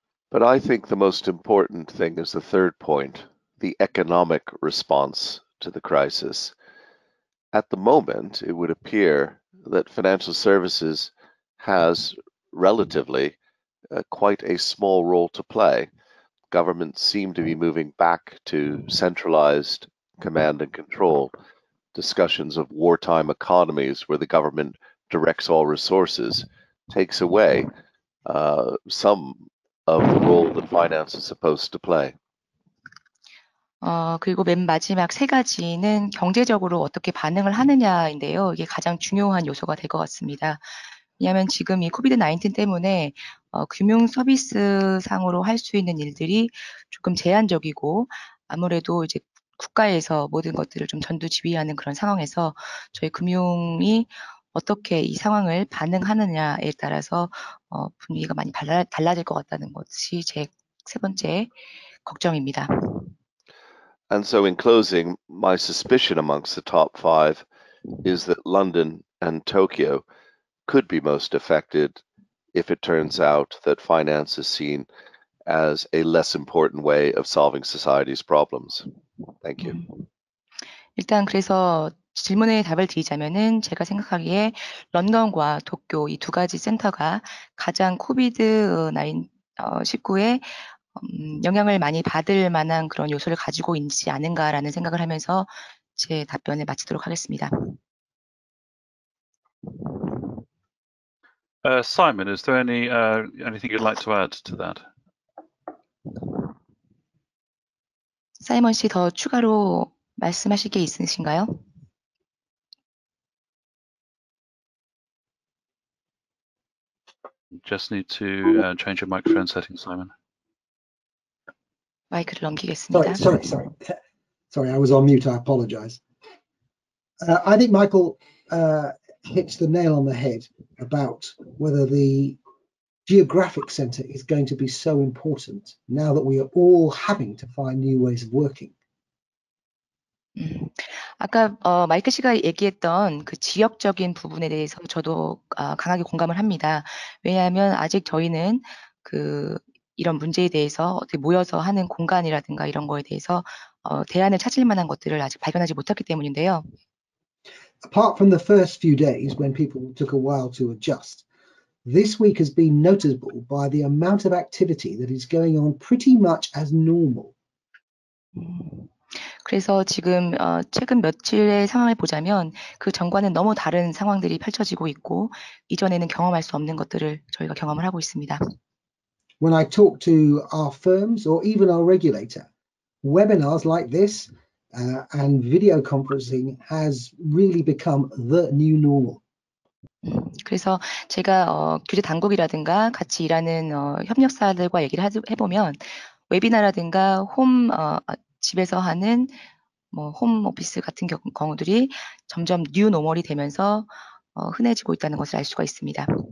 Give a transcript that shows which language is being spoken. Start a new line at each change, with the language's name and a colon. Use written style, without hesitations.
English: But I think the most important thing is the third point, the economic response to the crisis. At the moment, it would appear that financial services has relatively quite a small role to play. Governments seem to be moving back to centralized command and control. Discussions of wartime economies where the government directs all resources takes away some of the role that finance is supposed to play.
Korean: 그리고 맨 마지막 세 가지는 경제적으로 어떻게 반응을 하느냐인데요. 이게 가장 중요한 요소가 될 것 같습니다. 왜냐하면 지금 이 COVID-19 때문에 금융 서비스 상으로 할 수 있는 일들이 조금 제한적이고 아무래도 이제 국가에서 모든 것들을 좀 전두지휘하는 그런 상황에서 저희 금융이 어떻게 이 상황을 반응하느냐에 따라서 분위기가 많이 달라질 것 같다는 것이 제 세 번째 걱정입니다.
English: And so in closing, my suspicion amongst the top five is that London and Tokyo could be most affected if it turns out that finance is seen as a less important way of solving society's problems. Thank you.
Korean: 일단 그래서 질문에 답을 드리자면은 제가 생각하기에 런던과 도쿄 이 두 가지 센터가 가장 COVID-19에 영향을 많이 받을 만한 그런 요소를 가지고 있지 않은가라는 생각을 하면서 제 답변을 마치도록 하겠습니다.
English: Simon, is there anything you'd like to add to that?
Korean: 사이먼 씨, 더 추가로 말씀하실 게 있으신가요?
English: Just need to change your microphone setting, Simon.
Korean: 마이크를 넘기겠습니다.
English: Sorry, I was on mute. I apologize. I think Michael hits the nail on the head about whether the geographic center is going to be so important now that we are all having to find new ways of working.
Korean: 아까 마이크 씨가 얘기했던 그 지역적인 부분에 대해서 저도 강하게 공감을 합니다. 왜냐하면 아직 저희는 그 이런 문제에 대해서 어떻게 모여서 하는 공간이라든가 이런 거에 대해서 대안을 찾을 만한 것들을 아직 발견하지 못했기 때문인데요.
English: Apart from the first few days when people took a while to adjust, this week has been noticeable by the amount of activity that is going on pretty much as normal.
Korean: 그래서 지금 최근 며칠의 상황을 보자면 그 전과는 너무 다른 상황들이 펼쳐지고 있고 이전에는 경험할 수 없는 것들을 저희가 경험을 하고 있습니다.
English: When I talk to our firms or even our regulator, webinars like this and video conferencing has really become the new normal.
Korean: 그래서 제가 규제 당국이라든가 같이 일하는 협력사들과 얘기를 해보면 웨비나라든가 홈 집에서 하는 뭐 홈 오피스 같은 경우들이 점점 뉴 노멀이 되면서 흔해지고 있다는 것을 알 수가 있습니다.